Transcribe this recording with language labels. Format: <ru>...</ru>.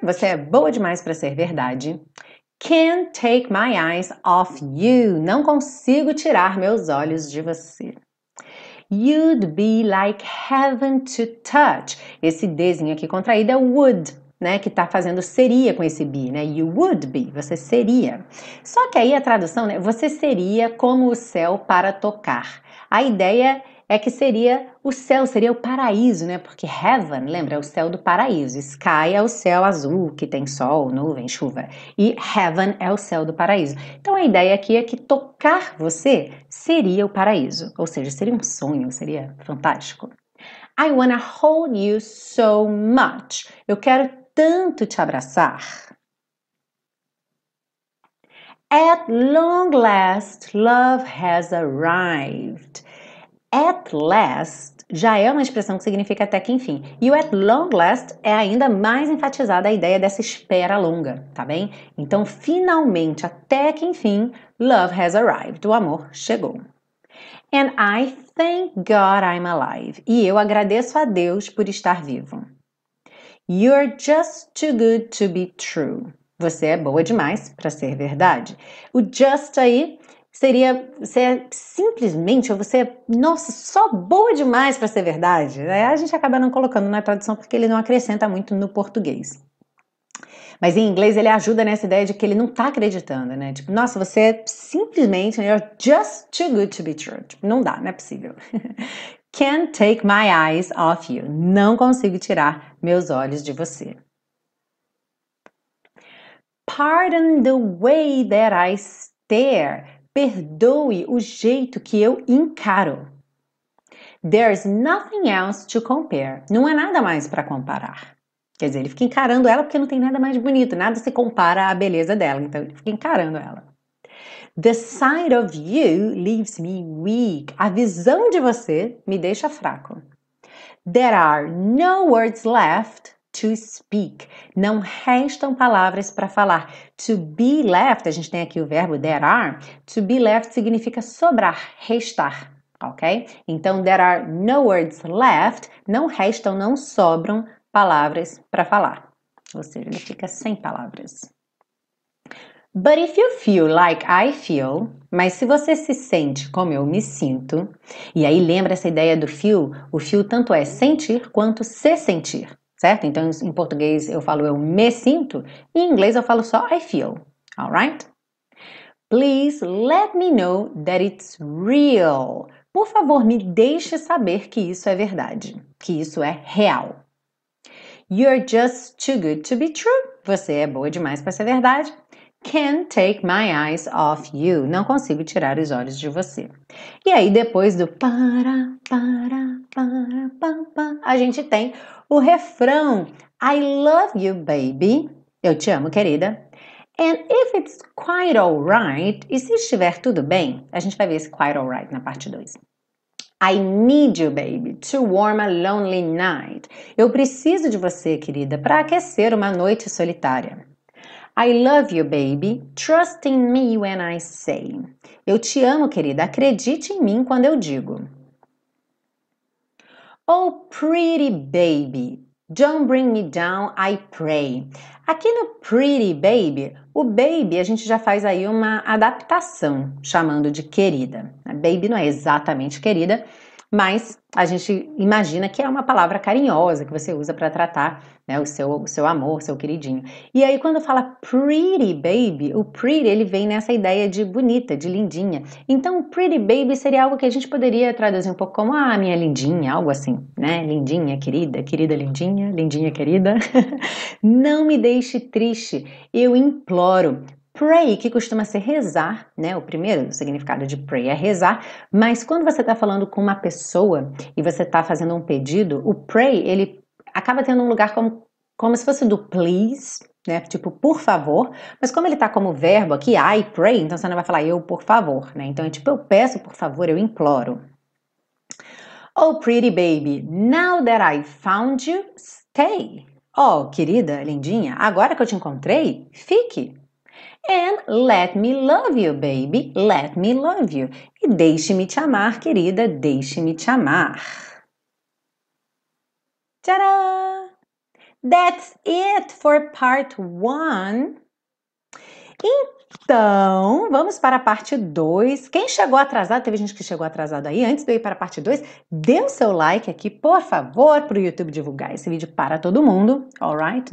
<pt>Você é boa demais para ser verdade.</pt> <en>Can't take my eyes off you.</en> <pt>Não consigo tirar meus olhos de você.</pt> <en>You'd be like heaven to touch.</en> <pt>Esse Dzinho aqui contraído é would, né? Que tá fazendo seria com esse be, né?</pt> <en>You would be,</en> <pt>você seria. Só que aí a tradução, né? Você seria como o céu para tocar. A ideia é que seria o céu, seria o paraíso, né? Porque heaven, lembra? É o céu do paraíso. Sky é o céu azul, que tem sol, nuvem, chuva. E heaven é o céu do paraíso. Então, a ideia aqui é que tocar você seria o paraíso. Ou seja, seria um sonho, seria fantástico.</pt> <en>I wanna hold you so much.</en> <pt>Eu quero tanto te abraçar. At long last, love has arrived. At last já é uma expressão que significa até que enfim. E o at long last é ainda mais enfatizada a ideia dessa espera longa, tá bem? Então, finalmente, até que enfim,</pt> <en>love has arrived.</en> <pt>O amor chegou.</pt> <en>And I thank God I'm alive.</en> <pt>E eu agradeço a Deus por estar vivo.</pt> <en>You're just too good to be true.</en> <pt>Você é boa demais para ser verdade. O just aí seria, você é simplesmente, ou você é, nossa, só boa demais para ser verdade. Aí a gente acaba não colocando na tradução porque ele não acrescenta muito no português. Mas em inglês ele ajuda nessa ideia de que ele não tá acreditando, né? Tipo, nossa, você é simplesmente,</pt> <en>you're just too good to be true.</en> <pt>Tipo, não dá, não é possível.</pt> <en>Can't take my eyes off you.</en> <pt>Não consigo tirar meus olhos de você.</pt> <en>Pardon the way that I stare.</en> <pt>Perdoe o jeito que eu encaro.</pt> <en>There's nothing else to compare.</en> <pt>Não há nada mais para comparar. Quer dizer, ele fica encarando ela porque não tem nada mais bonito. Nada se compara à beleza dela. Então, ele fica encarando ela.</pt> <en>The sight of you leaves me weak.</en> <pt>A visão de você me deixa fraco.</pt> <en>There are no words left to speak.</en> <pt>Não restam palavras para falar. To be left, a gente tem aqui o verbo there are. To be left significa sobrar, restar, ok? Então,</pt> <en>there are no words left.</en> <pt>Não restam, não sobram palavras para falar. Ou seja, ele fica sem palavras.</pt> <en>But if you feel like I feel,</en> <pt>mas se você se sente como eu me sinto, e aí lembra essa ideia do feel, o feel tanto é sentir quanto se sentir. Certo? Então, em português eu falo eu me sinto, e em inglês eu falo só</pt> <en>I feel,</en> <pt>alright?</pt> <en>Please let me know that it's real.</en> <pt>Por favor, me deixe saber que isso é verdade, que isso é real.</pt> <en>You're just too good to be true.</en> <pt>Você é boa demais para ser verdade.</pt> <en>Can't take my eyes off you.</en> <pt>Não consigo tirar os olhos de você. E aí, depois do para, para, para, pam, pam, a gente tem o refrão.</pt> <en>I love you, baby.</en> <pt>Eu te amo, querida.</pt> <en>And if it's quite alright,</en> <pt>e se estiver tudo bem, a gente vai ver esse quite alright na parte 2.</pt> <en>I need you, baby, to warm a lonely night.</en> <pt>Eu preciso de você, querida, para aquecer uma noite solitária.</pt> <en>I love you, baby, trust in me when I say.</en> <pt>Eu te amo, querida, acredite em mim quando eu digo.</pt> <en>Oh, pretty baby, don't bring me down, I pray.</en> <pt>Aqui no pretty baby, o baby a gente já faz aí uma adaptação, chamando de querida. A baby não é exatamente querida, mas a gente imagina que é uma palavra carinhosa que você usa para tratar, né, o seu amor, seu queridinho. E aí quando fala pretty baby, o pretty ele vem nessa ideia de bonita, de lindinha. Então pretty baby seria algo que a gente poderia traduzir um pouco como minha lindinha, algo assim, né? Lindinha, querida, querida, lindinha, lindinha, querida. Não me deixe triste, eu imploro. Pray, que costuma ser rezar, né? O primeiro significado de pray é rezar, mas quando você está falando com uma pessoa e você está fazendo um pedido, o pray, ele acaba tendo um lugar como se fosse do please, né? Tipo, por favor, mas como ele está como verbo aqui, I pray, então você não vai falar eu por favor, né? Então é tipo, eu peço por favor, eu imploro.</pt> <en>Oh, pretty baby, now that I found you, stay.</en> <pt>Oh, querida, lindinha, agora que eu te encontrei, fique.</pt> <en>And let me love you, baby, let me love you.</en> <pt>E deixe-me te amar, querida, deixe-me te amar.</pt> <en>Tchará! That's it for part one.</en> <pt>Então, vamos para a parte 2. Quem chegou atrasado, teve gente que chegou atrasado aí, antes de eu ir para a parte 2, dê o seu like aqui, por favor, para o YouTube divulgar esse vídeo para todo mundo. Alright?</pt>